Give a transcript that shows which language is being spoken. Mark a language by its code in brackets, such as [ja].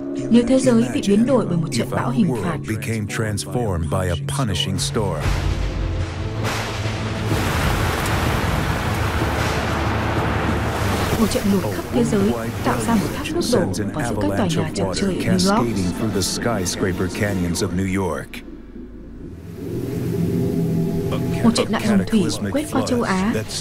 [vi] Nếu thế giới bị biến đổi bởi một trận bão hình phạt, [en] became transformed by a punishing storm. [vi] Một trận lụt khắp thế giới tạo ra một thác nước đổ vào giữa các tòa nhà chọc trời ở New York. [en] Cascading through the skyscraper canyons of New York. [vi] Một trận đại hồng thủy quét qua châu Á.